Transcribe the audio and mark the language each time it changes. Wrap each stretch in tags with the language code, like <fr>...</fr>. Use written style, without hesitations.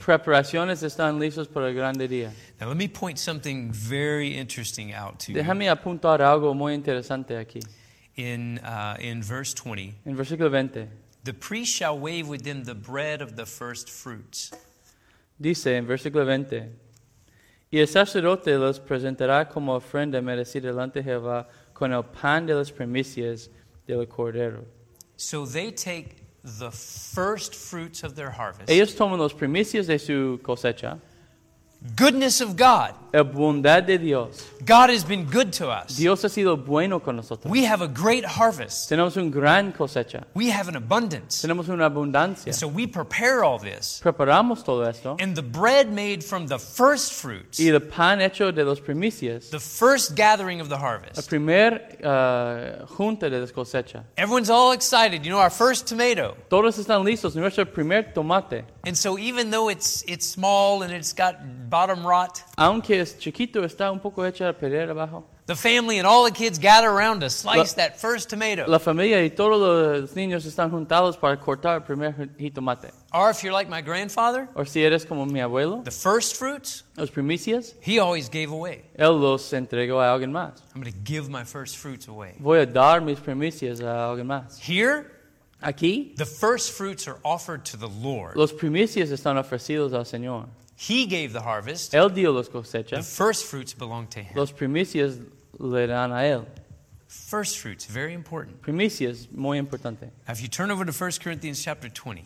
<es>Preparaciones están listas para el grande día.</es> <en>Now let me point something very interesting out to you.</en> <es>Déjame apuntar algo muy interesante aquí.</es> <en>In verse 20.</en> <es>En versículo 20.</es> <en>The priest shall wave with them the bread of the first fruits.</en> <es>Dice en versículo 20. Y el sacerdote los presentará como ofrenda merecida delante de Jehová con el pan de las primicias del cordero.</es> <en>So they take the first fruits of their harvest.</en> <es>Ellos toman los primicias de su cosecha.</es> <en>Goodness of God.</en> <es>La bondad de Dios.</es> <en>God has been good to us.</en> <es>Dios ha sido bueno con nosotros.</es> <en>We have a great harvest.</en> <es>Tenemos un gran cosecha.</es> <en>We have an abundance.</en> <es>Tenemos una abundancia.</es> <en>And so we prepare all this.</en> <es>Preparamos todo esto.</es> <en>And the bread made from the first fruits.</en> <es>Y el pan hecho de los primicias.</es> <en>The first gathering of the harvest.</en> <es>La primer junta de la cosecha.</es> <en>Everyone's all excited. You know, our first tomato.</en> <es>Todos están listos. Nuestro primer tomate.</es> <en>And so even though it's small and it's got bottom rot.</en> <es>Aunque es chiquito, está un poco hecho a perder abajo.</es> <en>The family and all the kids gather around to slice that first tomato.</en> <es>La familia y todos los niños están juntados para cortar el primer jitomate.</es> <en>Or if you're like my grandfather.</en> <es>Or si eres como mi abuelo.</es> <en>The first fruits.</en> <es>Los primicias.</es> <en>He always gave away.</en> <es>Él los entregó a alguien más.</es> <en>I'm going to give my first fruits away.</en> <es>Voy a dar mis primicias a alguien más.</es> <en>Here.</en> <es>Aquí.</es> <en>The first fruits are offered to the Lord.</en> <es>Los primicias están ofrecidos al Señor.</es> <en>He gave the harvest.</en> <es>Él dio las cosechas.</es> <en>The first fruits belong to him.</en> <es>Los primicias le dan a él.</es> <en>First fruits, very important.</en> <es>Primicias, muy importante.</es> <en>Now if you turn over to 1 Corinthians chapter 20.</en>